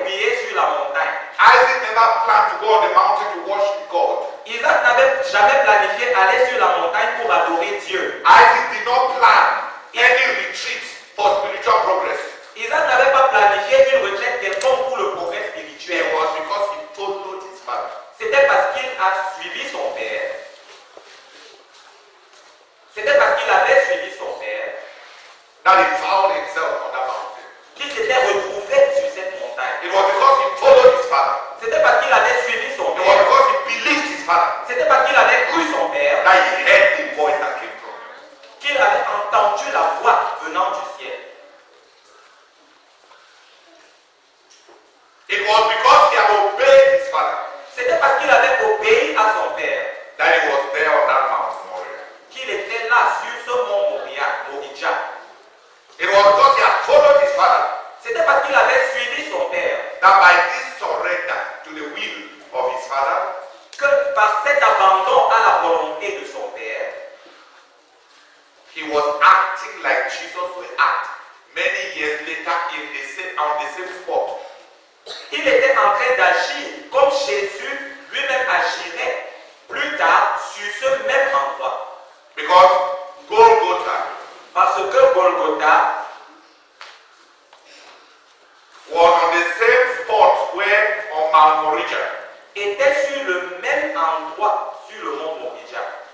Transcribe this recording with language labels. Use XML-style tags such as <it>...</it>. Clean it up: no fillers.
<en>plan to go on the mountain to worship God.</en> <fr>Isaac n'avait jamais planifié aller sur la montagne pour adorer Dieu.</fr> <en>Isaac did not plan any retreat for spiritual progress.</en> <fr>Isaac n'avait pas planifié une retraite quelconque pour le progrès spirituel.</fr> <en>It was because he followed his father.</en> <fr>C'était parce qu'il a suivi son père. C'était parce qu'il avait suivi son père.</fr> <en>That he found himself on that mountain.</en> <fr>Qu'il s'était retrouvé sur cette montagne.</fr> <en>It was because he followed his father.</en> <fr>C'était parce qu'il avait suivi son père.</fr> <en>It was because he believed his father.</en> <fr>C'était parce qu'il avait cru son père.</fr> <en>That he heard the voice that came from him.</en> <fr>Qu'il avait entendu la voix venant du ciel.</fr> <en>It was because he had obeyed his father.</en> <fr>C'était parce qu'il avait obéi à son père.</fr> <en>That he was there on that mountain.</en> <fr>Il était là sur ce mont Moria.</fr> <en>It was because he had followed his father.</en> <fr>C'était parce qu'il avait suivi son père.</fr> <en>That by this surrender to the will of his father,</en> <fr>que par cet abandon à la volonté de son père,</fr> <en>he was acting like Jesus would act many years later in the same, on the same spot.</en> <fr>Il était en train d'agir comme Jésus lui-même agirait plus tard sur ce même endroit.</fr> <en>Because Golgotha,</en> <fr>parce que Golgotha</fr> <en>was on the same spot where on Mount Moriah,</en> <fr>était sur le même endroit sur le mont Moriah.</fr>